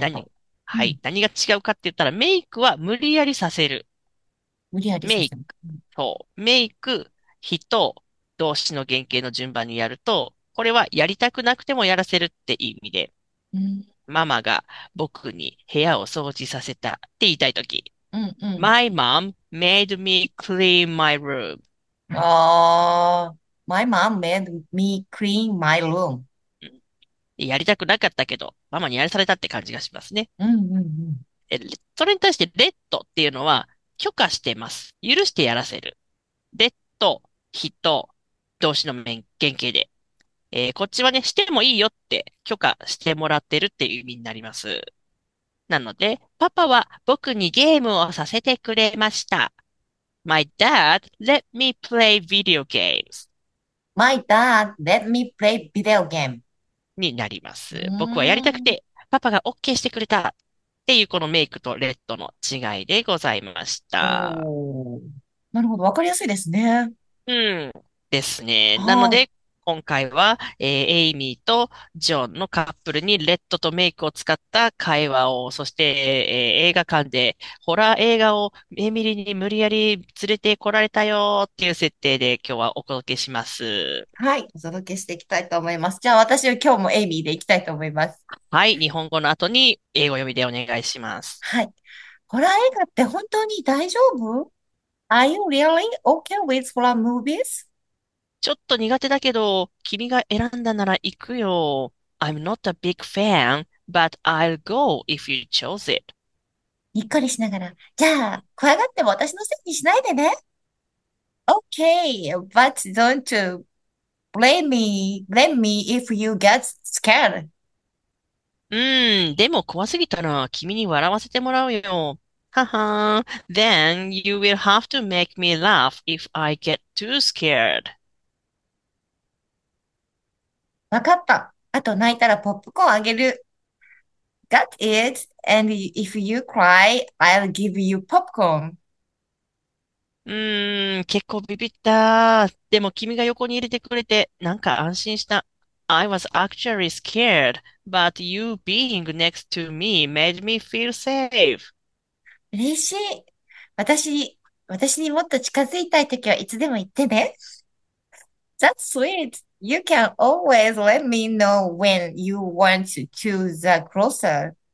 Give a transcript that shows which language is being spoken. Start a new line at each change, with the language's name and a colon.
Japanese: はい、はい、うん。何が違うかって言ったら、メイクは無理やりさせる。無理やりさせる。メイク。そう。メイク、人、動詞の原型の順番にやると、これはやりたくなくてもやらせるって意味で、うん、ママが僕に部屋を掃除させたって言いたいとき、うんうん、
English: My mom made me clean my room. My mom made me clean my room.
Japanese: やりたくなかったけど、ママにやらされたって感じがしますね。うんうんうん、それに対して、レッドっていうのは許可してます。許してやらせる。レッド、人、動詞の原型で。こっちはね、してもいいよって許可してもらってるっていう意味になります。なので、パパは僕にゲームをさせてくれました。
English: My dad let me play video games. My dad let me play video game.
Japanese: になります。僕はやりたくて、パパが OK してくれたっていうこのメイクとレッドの違いでございました。おー、なるほど。わかりやすいですね。うん。ですね。なので、今回は、エイミーとジョンのカップルにレッドとメイクを使った会話を、そして、映画館でホラー映画をエミリーに無理やり連れてこられたよっていう設定で今日はお届けします。はい、お届けしていきたいと思います。じゃあ私は今日もエイミーでいきたいと思います。はい、日本語の後に英語読みでお願いします。はい。ホラー映画って本当に大丈夫？
English: Are you really okay with horror movies?
Japanese: ちょっと苦手だけど、君が選んだなら行くよ。
English: I'm not a big fan, but I'll go if you chose it.
Japanese: にっこりしながら、じゃあ、怖がっても私のせいにしないでね。
English: Okay, but don't blame me if you get scared.
Japanese: でも怖すぎたら、君に笑わせてもらうよ。ははーん。
English: Then you will have to make me laugh if I get too scared.
Japanese: わかった。あと泣いたらポップコーンあげる。
English: Got it. And if you cry, I'll give you popcorn.
Japanese: 結構ビビった。でも君が横に入れてくれてなんか安心した。
English: I was actually scared, but you being next to me made me feel safe.
Japanese: 嬉しい。私にもっと近づいたいときはいつでも言ってね。
English: That's sweet. You can always let me know when you want to choose a closer.